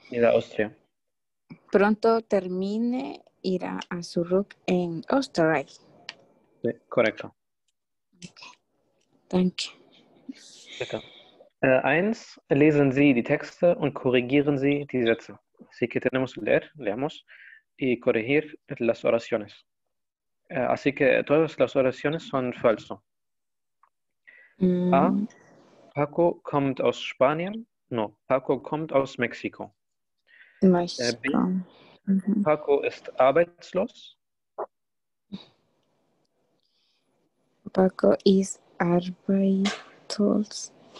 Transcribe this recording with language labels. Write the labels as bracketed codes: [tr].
[es] Y la Austria. Pronto termine, irá a su rug en Österreich. Sí, correcto. [en] Thank you. Okay. [de] Eins, lesen Sie die Texte und korrigieren Sie die Sätze. [es] Así que tenemos que leer, leamos, y corregir las oraciones. Así que todas las oraciones son falso. Mm. [de] A, Paco kommt aus Spanien. No, Paco kommt aus Mexiko. B, Paco ist arbeitslos. Paco ist arbeitslos.